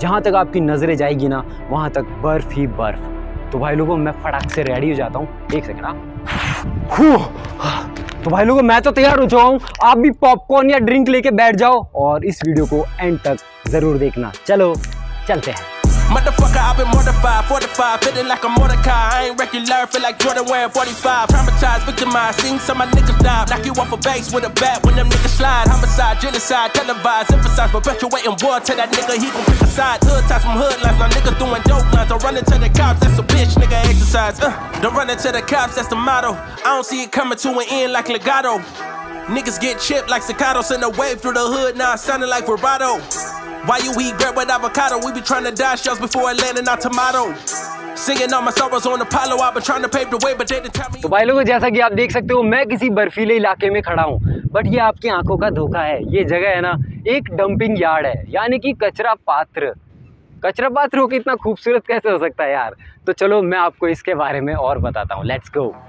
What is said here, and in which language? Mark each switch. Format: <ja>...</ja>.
<hi>जहाँ तक आपकी नजरें जाएगी ना, वहां तक बर्फ ही बर्फ। तो भाई लोगों, मैं फटाक से रेडी हो जाता हूँ, एक सेकंड। तो भाई लोगों, मैं तो तैयार हो चुका हूँ, आप भी पॉपकॉर्न या ड्रिंक लेके बैठ जाओ और इस वीडियो को एंड तक जरूर देखना। चलो चलते हैं।</hi> <en>Motherfucker, I've been mortified, fortified, feeling like a Mordecai. I ain't regular, feel like Jordan wearing 45. Traumatized, victimized, seeing some of my niggas die. Knock you off a base with a bat when them niggas slide. Homicide, genocide, televised, emphasize, perpetuating war. Tell that nigga he gon' pick a side. Hood ties from hood lines, now niggas doing dope lines. I'm running to the cops, that's a bitch, nigga exercise. They're running to the cops, that's the motto. I don't see it coming to an end like Legato. Niggas get chipped like staccato, send a wave through the hood, now it's sounding like vibrato. Why you eat bread with avocado? We be trying to die shells before landing our tomato. Singing all my sorrows on Apollo. I've been trying to pave the way, but they didn't tell me.</en> <hi>तो भाई लोगों, जैसा कि आप देख सकते हो, मैं किसी बर्फीले इलाके में खड़ा हूँ, बट ये आपकी आंखों का धोखा है। ये जगह है ना, एक डंपिंग यार्ड है, यानी कि कचरा पात्र। कचरा पात्र हो के इतना खूबसूरत कैसे हो सकता है यार? तो चलो मैं आपको इसके बारे में और बताता हूँ,</hi> <en>Let's go.</en>